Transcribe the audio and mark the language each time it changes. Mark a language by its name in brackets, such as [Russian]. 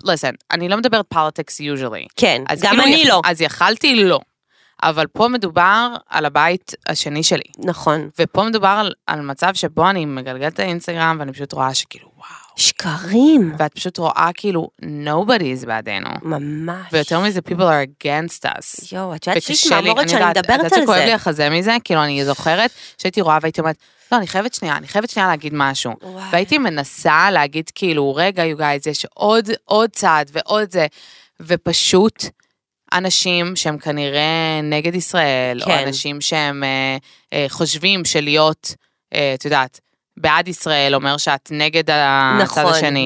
[Hebrew] Listen, אני לא מדברת [English] politics usually. [Hebrew] כן, אז גם כאילו אני לא. אז יכלתי לא. אבל פה מדובר על הבית השני שלי. נכון. ופה מדובר על מצב שבו אני מגלגלת האינסטגרם, ואני פשוט רואה שכאילו, וואו. שקרים. ואת פשוט רואה כאילו, [English] nobody is [Hebrew] בעדינו. ממש. [English] ויותר מזה, people are against us. [Hebrew] יו, את יודעת שיש מעמורת שאני מדברת על זה. את יודעת שכואב לי החזה מזה, כאילו אני זוכרת, שהייתי רואה והייתי אומרת, לא, אני חייבת שנייה להגיד משהו. והייתי מנסה להגיד כאילו, רגע, [English] you guys, [Hebrew] יש עוד צעד ועוד זה, ופשוט אנשים שהם כנראה נגד ישראל, או אנשים שהם חושבים שלהיות, את יודעת, בעד ישראל אומר שאת נגד הצד השני.